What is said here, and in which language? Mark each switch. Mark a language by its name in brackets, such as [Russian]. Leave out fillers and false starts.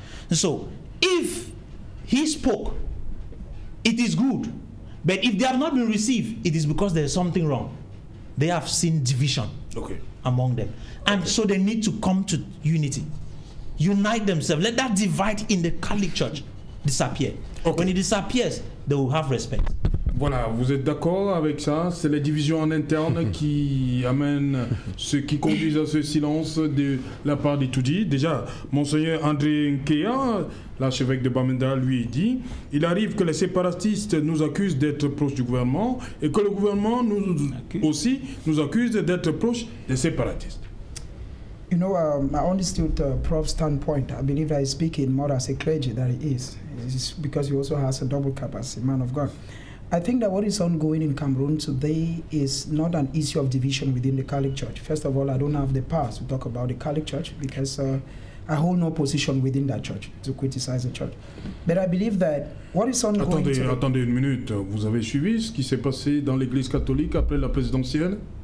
[English] So if he spoke, it is good. But if they have not been received, it is because there is something wrong. They have seen division among them. And so they need to come to unity. Unite themselves. Let that divide in the Catholic Church disappear. Okay. When it disappears, they will have respect. [French] Voilà, vous êtes d'accord avec ça? C'est les divisions en interne qui amènent, ce qui conduisent à ce silence de la part des Tutsis. Déjà, Monseigneur André Nkéa, l'archevêque de Bamenda, lui dit, il arrive que les séparatistes nous accusent d'être proches du gouvernement et que le gouvernement nous aussi nous accuse d'être proches des séparatistes. [English] You know, I understood Prof's standpoint. I believe that he's speaking more as a clergy than he is. It's because he also has a double cap as a man of God. I think that what is ongoing in Cameroon today is not an issue of division within the Catholic Church. First of all, I don't have the power to talk about the Catholic Church because I hold no position within that church to criticize the church. But I believe that what is ongoing... [French] Attendez une minute. Vous avez suivi ce qui s'est passé dans l'Église catholique après la présidentielle?